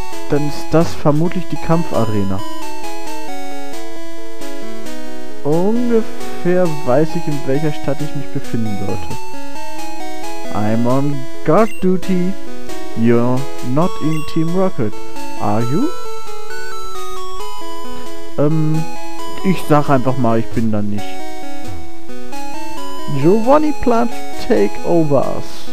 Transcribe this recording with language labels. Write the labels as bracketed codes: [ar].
[de] Dann ist das vermutlich die Kampfarena. Ungefähr weiß ich, in welcher Stadt ich mich befinden sollte. [en] I'm on guard duty. You're not in Team Rocket. Are you? [de] Ich sag einfach mal, ich bin da nicht. [en] Giovanni plans to take over us.